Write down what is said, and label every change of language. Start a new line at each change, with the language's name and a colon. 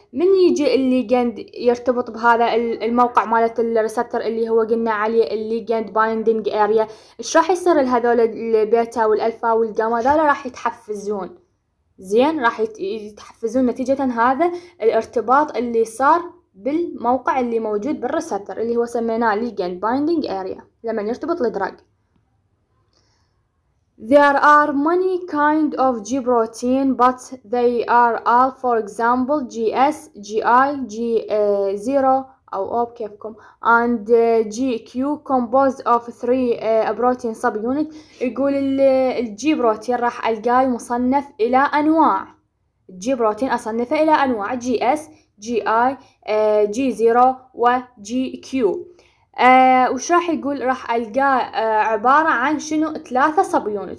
Arabic: من يجي الليجند يرتبط بهذا الموقع مالت الريسبتر اللي هو قلنا عليه الليجند بايندينج اريا، ايش راح يصير لهذول البيتا والالفا والجاما؟ هذول راح يتحفزون. زين راح يتحفزون نتيجه هذا الارتباط اللي صار بالموقع اللي موجود بالريسبتر اللي هو سميناه ليجاند بايندينج اريا لما يرتبط الدراج.
English: There are many kind of G protein but they are all for example GS, GI, G0 أو أوب كيفكم and GQ composed of three protein subunit.
Arabic: يقول الجي بروتين راح ألقاه مصنف إلى أنواع. الجي بروتين أصنفه إلى أنواع GS, GI, G0 و GQ. وش راح يقول؟ راح ألقاه عبارة عن شنو؟ ثلاثة سبيونت.